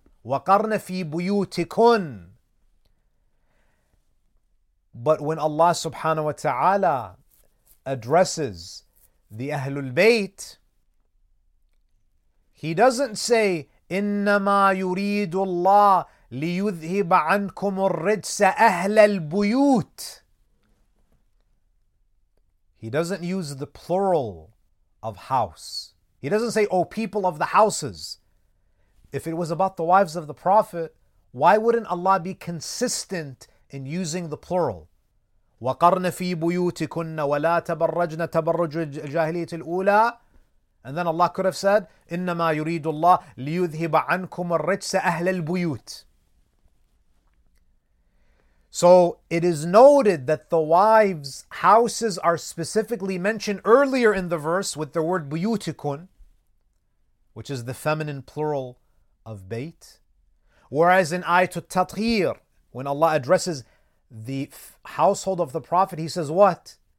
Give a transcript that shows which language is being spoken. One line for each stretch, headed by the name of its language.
Arabic: وَقَرْنَ فِي بُيُوتِكُنْ.
English: But when Allah subhanahu wa ta'ala addresses the Ahlul Bayt, He doesn't say,
Arabic: إِنَّمَا يُرِيدُ اللَّهِ ليذهب عنكم الرجس أهل البيوت.
English: He doesn't use the plural of house. He doesn't say, oh, people of the houses. If it was about the wives of the Prophet, why wouldn't Allah be consistent in using the plural?
Arabic: وَقَرْنَ فِي بُيُوتِكُنَّ وَلَا تَبَرَّجْنَ تَبَرُّجُ الْجَاهِلِيَةِ الْأُولَى.
English: And then Allah could have said,
Arabic: إِنَّمَا يُرِيدُ اللَّهِ لِيُذْهِبَ عَنْكُمُ الرِّجْسَ أَهْلَ الْبُيُوتِ.
English: So it is noted that the wives' houses are specifically mentioned earlier in the verse with the word بُيُوتِكُن, which is the feminine plural of bayt. Whereas in Ayatul Tathir, when Allah addresses the household of the Prophet, he says what?